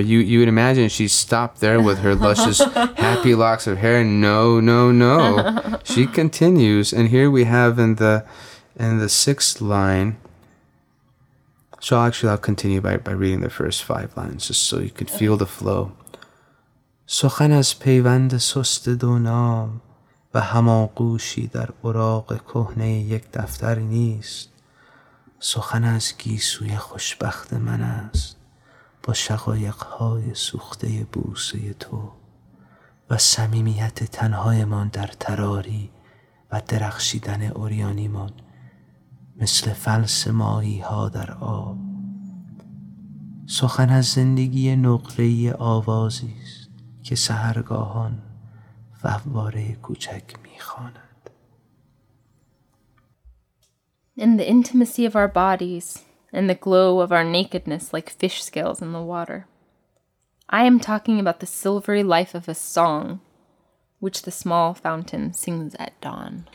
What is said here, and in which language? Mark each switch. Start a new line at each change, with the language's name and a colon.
English: You would imagine she stopped there with her luscious, happy locks of hair. No. She continues. And here we have in the sixth line. So I'll continue by reading the first five lines, just so you could feel the flow.
Persian: سخن از پیوند سست دو نام و هماغوشی در اوراق کهنه یک دفتر نیست. سخن از گیسوی خوشبخت من است با شقایقهای سوخته بوسه تو و صمیمیت تنهای من در تراری و درخشیدن اوریانی من مثل فلس ماهی ها در آب. سخن از زندگی نقره‌ای آوازی است که سحرگاهان فواره کوچک می‌خواند.
English: In the intimacy of our bodies, in the glow of our nakedness like fish scales in the water. I am talking about the silvery life of a song, which the small fountain sings at dawn.